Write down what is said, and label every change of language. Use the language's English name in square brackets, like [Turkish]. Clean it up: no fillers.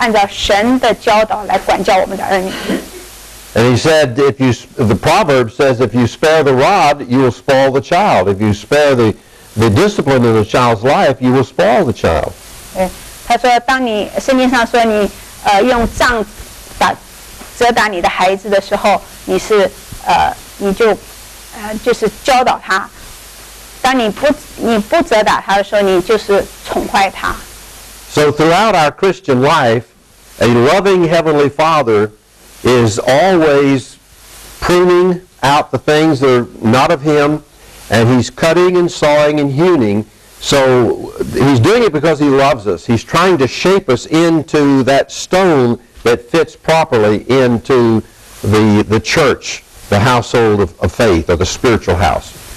[Chinese] 在圣经上神告诉我们,我们要管教儿女,要按照神的教导来管教我们的儿女。 [English] And he said, the proverb says, if you spare the rod, you will spoil the child. If you spare the discipline in the child's life, you will spoil the child. [Chinese] 他说当你圣经上说你用杖责打你的孩子的时候你就是教导他当你不责打他的时候你就是宠坏他。 [English] So throughout our Christian life, a loving Heavenly Father is always pruning out the things that are not of Him, and He's cutting and sawing and hewing. So he's doing it because he loves us. He's trying to shape us into that stone that fits properly into the church, the household of faith, or the spiritual house.